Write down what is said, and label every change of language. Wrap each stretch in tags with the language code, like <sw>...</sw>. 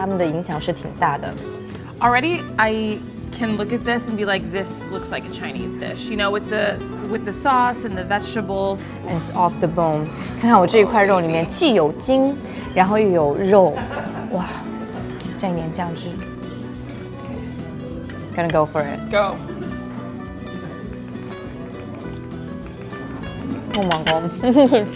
<zh>还有橘子汁里面，包括加上很多中国的五香粉组成的。有很多人都说呢，古巴中国菜它其实受到中国菜的很，就肉类受到中国菜的影响非常之多。比如说你像五香粉的这种运用，包括我在下面还看到有香叶，他们煮的时候，这些东西的应用应该是对他们的影响是挺大的。</zh> <en>Already, I can look at this and be like, this looks like a Chinese dish. You know, with the sauce and the vegetables. And it's off the bone.</en> <zh>看看我这一块肉里面既有筋，然后又有肉，哇！蘸一点酱汁。</zh> <en>Gonna go for it. Go. Oh my god,</en>